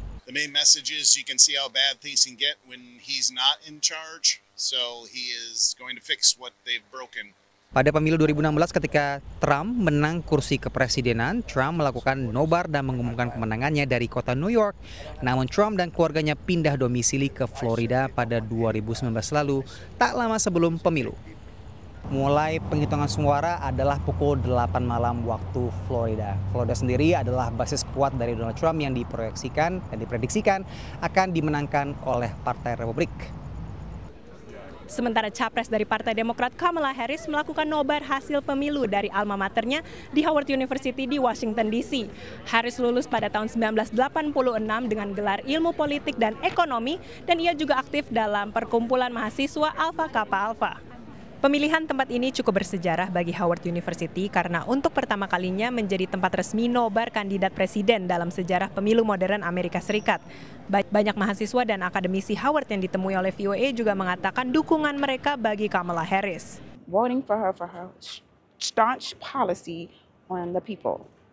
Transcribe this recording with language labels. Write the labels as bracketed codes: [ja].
[en] The main message is you can see how bad things can get when he's not in charge. So he is going to fix what they've broken. [id] Pada pemilu 2016 ketika Trump menang kursi kepresidenan, Trump melakukan nobar dan mengumumkan kemenangannya dari kota New York. Namun Trump dan keluarganya pindah domisili ke Florida pada 2019 lalu, tak lama sebelum pemilu. Mulai penghitungan suara adalah pukul 8 malam waktu Florida. Florida sendiri adalah basis kuat dari Donald Trump yang diproyeksikan dan diprediksikan akan dimenangkan oleh Partai Republik. Sementara capres dari Partai Demokrat Kamala Harris melakukan nobar hasil pemilu dari alma maternya di Howard University di Washington DC. Harris lulus pada tahun 1986 dengan gelar ilmu politik dan ekonomi, dan ia juga aktif dalam perkumpulan mahasiswa Alpha Kappa Alpha. Pemilihan tempat ini cukup bersejarah bagi Howard University karena untuk pertama kalinya menjadi tempat resmi nobar kandidat presiden dalam sejarah pemilu modern Amerika Serikat. Banyak mahasiswa dan akademisi Howard yang ditemui oleh VOA juga mengatakan dukungan mereka bagi Kamala Harris. [en] Voting for her staunch policy on the people.